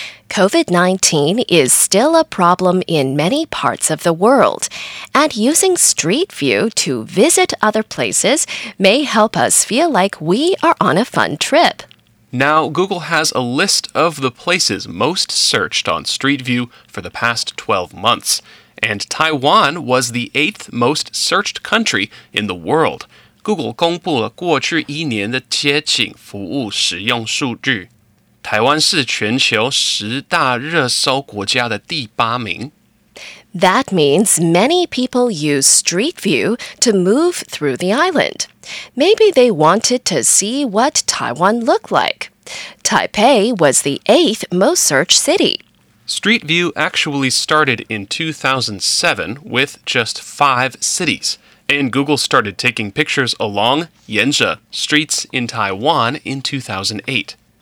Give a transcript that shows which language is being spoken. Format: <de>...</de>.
<en>COVID-19 is still a problem in many parts of the world, and using Street View to visit other places may help us feel like we are on a fun trip. Now, Google has a list of the places most searched on Street View for the past 12 months, and Taiwan was the 8th most searched country in the world.</en> <zh>Google 公布了过去一年的街景服务使用数据。台湾是全球十大热搜国家的第八名。</zh> <en>That means many people use Street View to move through the island. Maybe they wanted to see what Taiwan looked like. Taipei was the 8th most searched city. Street View actually started in 2007 with just 5 cities, and Google started taking pictures along Yanzhe streets in Taiwan in 2008.</en>